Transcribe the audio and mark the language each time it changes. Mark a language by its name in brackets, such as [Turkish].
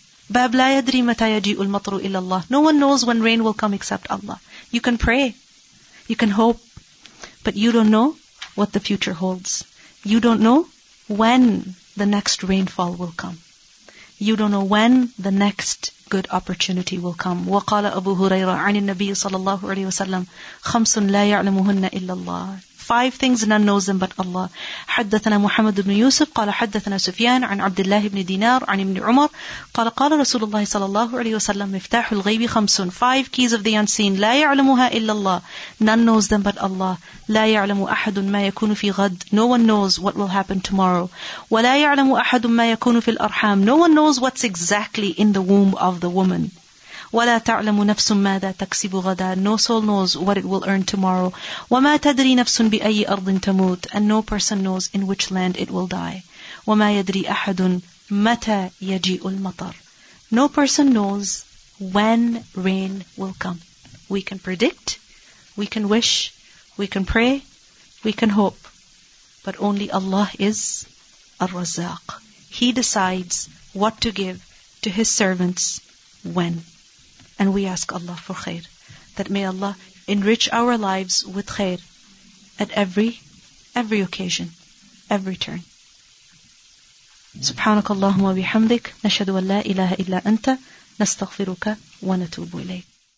[Arabic] باب لا يدري متى يجيء المطر إلا الله. [English] No one knows when rain will come except Allah. You can pray. You can hope. But you don't know what the future holds. You don't know when the next rainfall will come. You don't know when the next good opportunity will come. [Arabic] وقال أبو هريرة عن النبي صلى الله عليه وسلم خمس لا يعلمهن إلا الله. [English] Five things none knows them but Allah. [Arabic] حدثنا محمد بن يوسف قال حدثنا سفيان عن عبد الله بن دينار عن ابن عمر قال قال رسول الله صلى الله عليه وسلم مفتاح الغيب خمس. [English] Five keys of the unseen. [Arabic] لا يعلمها إلا الله. [English] None knows them but Allah. [Arabic] لا يعلم أحد ما يكون في غد. [English] No one knows what will happen tomorrow. [Arabic] ولا يعلم أحد ما يكون في الأرحام. [English] No one knows what's exactly in the womb of the woman. [Arabic] ولا تعلم نفس ماذا تكسب غدا. [English] No soul knows what it will earn tomorrow. [Arabic] وما تدري نفس بأي أرض تموت. [English] And no person knows in which land it will die. [Arabic] وما يدري أحد متى يجيء المطر. [English] No person knows when rain will come. We can predict, we can wish, we can pray, we can hope. But only Allah is الرزاق. He decides what to give to His servants when. And we ask Allah for khair. That may Allah enrich our lives with khair at every occasion, every turn. [Arabic] سبحانك اللهم وبحمدك نشهد أن لا إله إلا أنت نستغفرك ونتوب إليك.